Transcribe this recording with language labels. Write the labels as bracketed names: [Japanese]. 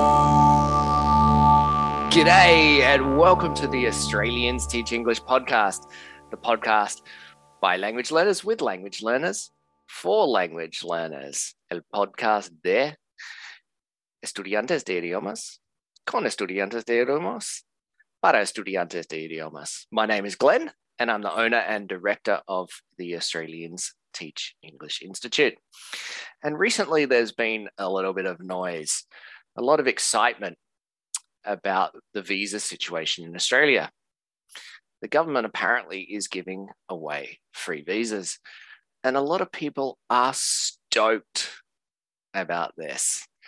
[English] G'day and welcome to the Australians Teach English podcast, the podcast by language learners, with language learners, for language learners. [Spanish] El podcast de estudiantes de idiomas, con estudiantes de idiomas, para estudiantes de idiomas. [English] My name is Glenn and I'm the owner and director of the Australians Teach English Institute. And recently there's been a little bit of noise, a lot of excitement about the visa situation in Australia. The government apparently is giving away free visas, and a lot of people are stoked about this.